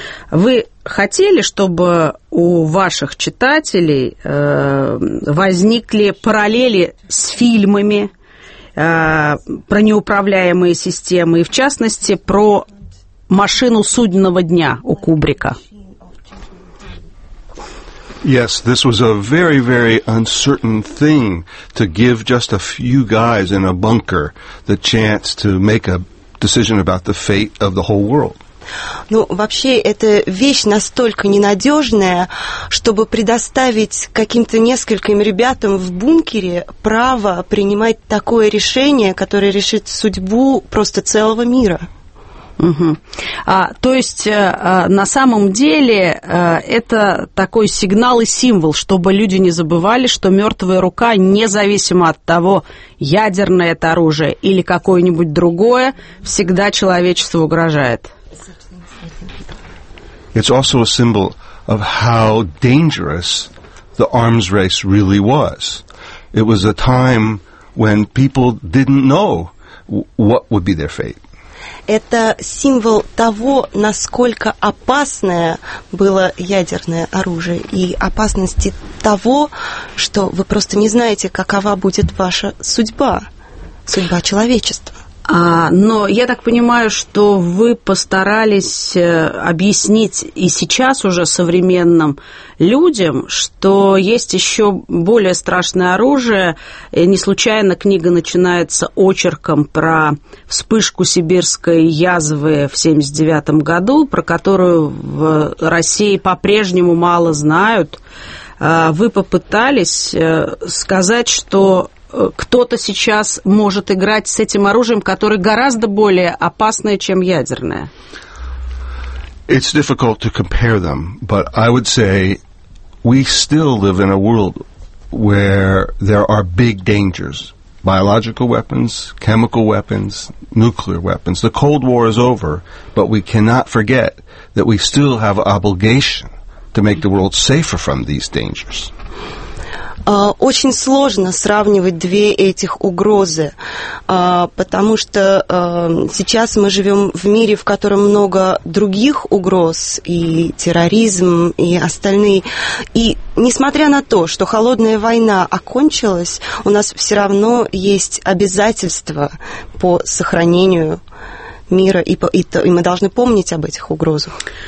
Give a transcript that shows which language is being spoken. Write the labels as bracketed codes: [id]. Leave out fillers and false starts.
[ru] Вы хотели, чтобы у ваших читателей возникли параллели с фильмами про неуправляемые системы, и, в частности, про машину судного дня у Кубрика? [en] Yes, this was a very, very uncertain thing to give just a few guys in a bunker the chance to make a decision about the fate of the whole world. [ru] Ну, вообще, эта вещь настолько ненадежная, чтобы предоставить каким-то нескольким ребятам в бункере право принимать такое решение, которое решит судьбу просто целого мира. Угу. То есть, на самом деле, это такой сигнал и символ, чтобы люди не забывали, что мертвая рука, независимо от того, ядерное это оружие или какое-нибудь другое, всегда человечеству угрожает. [en] It's also a symbol of how dangerous the arms race really was. It was a time when people didn't know what would be their fate. [ru] Это символ того, насколько опасное было ядерное оружие и опасности того, что вы просто не знаете, какова будет ваша судьба, судьба человечества. Но я так понимаю, что вы постарались объяснить и сейчас уже современным людям, что есть еще более страшное оружие. И не случайно книга начинается очерком про вспышку сибирской язвы в 79-м году, про которую в России по-прежнему мало знают. Вы попытались сказать, что кто-то сейчас может играть с этим оружием, которое гораздо более опасное, чем ядерное. [en] It's difficult to compare them, but I would say we still live in a world where there are big dangers. Biological weapons, chemical weapons, nuclear weapons. The Cold War is over, but we cannot forget that we still have an obligation to make the world safer from these dangers. [ru] Очень сложно сравнивать две этих угрозы, потому что сейчас мы живем в мире, в котором много других угроз, и терроризм, и остальные. И несмотря на то, что холодная война окончилась, у нас все равно есть обязательства по сохранению мира, и мы должны помнить об этих угрозах.